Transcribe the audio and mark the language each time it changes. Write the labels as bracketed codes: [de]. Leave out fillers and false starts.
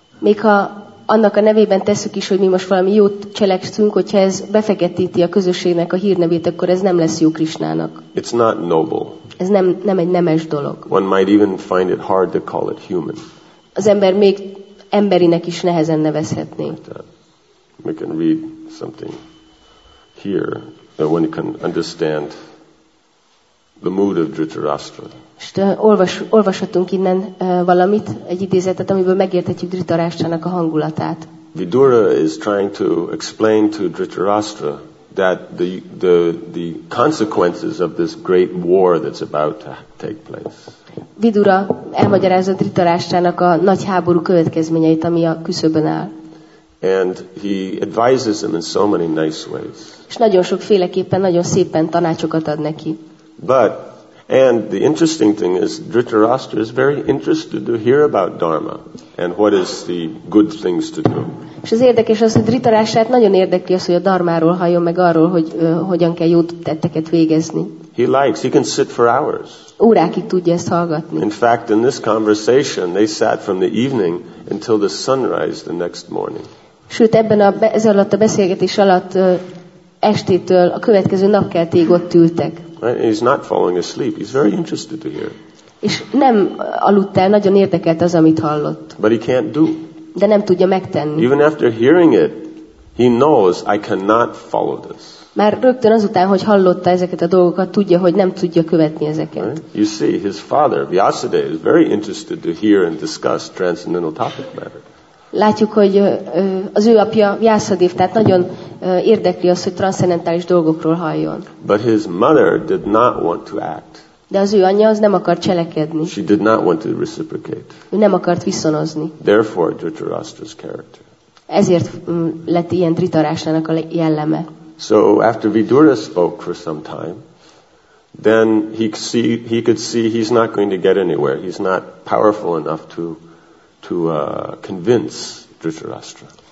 [hu] Még ha annak a nevében tesszük is, hogy mi most valami jót cselekszünk, hogyha ez befeketíti a közösségnek a hírnevét, akkor ez nem lesz jó Krisnának. [en] It's not noble. [hu] Ez nem egy nemes dolog. [en] One might even find it hard to call it human. [hu] Az ember még emberinek is nehezen nevezhetné. [en] We can read something here that one can understand the mood of Dhritarashtra. [hu] Olvashatunk innen valamit, egy idézetet, amiből megérthetjük Dhritarashtra-nak a hangulatát. [en] Vidura is trying to explain to Dhritarashtra that the consequences of this great war that's about to take place. [hu] Vidura elmagyarázza Dhritarashtra-nak a nagy háború következményeit, ami a küszöbön áll. [en] And he advises him in so many nice ways. [hu] És nagyon sokféleképpen, nagyon szépen tanácsokat ad neki. [en] And the interesting thing is Dhritarashtra is very interested to hear about dharma and what is the good things to do. [hu] És az érdekes az, hogy Dhritarashtrát nagyon érdekli az, hogy a dharmáról halljon meg arról, hogy hogyan kell jó tetteket végezni. [en] He can sit for hours. [hu] Órákig tudja ezt hallgatni. [en] In fact, in this conversation they sat from the evening until the sunrise the next morning. [hu] Sőt, ebben a beszélgetés alatt estétől a következő napkeltig ott ültek. [en] He's not falling asleep. He's very interested to hear. [hu] És nem aludt el, nagyon érdekelt az, amit hallott. [en] But he can't do. [hu] De nem tudja megtenni. [en] Even after hearing it, he knows I cannot follow this. [hu] Már rögtön azután, hogy hallotta ezeket a dolgokat, tudja, hogy nem tudja követni ezeket. [en] Right? You see, his father, Vyasadeva, is very interested to hear and discuss transcendental topic matter. [hu] Látjuk, hogy az ő apja Vyasadev, tehát nagyon érdekli az, hogy transzcendentális dolgokról halljon. [en] But his mother did not want to act. [hu] De az ő anyja az nem akart cselekedni. [en] She did not want to reciprocate. [hu] Ő nem akart viszonozni. [en] Therefore, Dhritarashtra's character. [hu] Ezért lett ilyen Dhritarashtra-nak a jelleme. [en] So after Vidura spoke for some time, then he could see he's not going to get anywhere. He's not powerful enough to convince Dhritarashtra.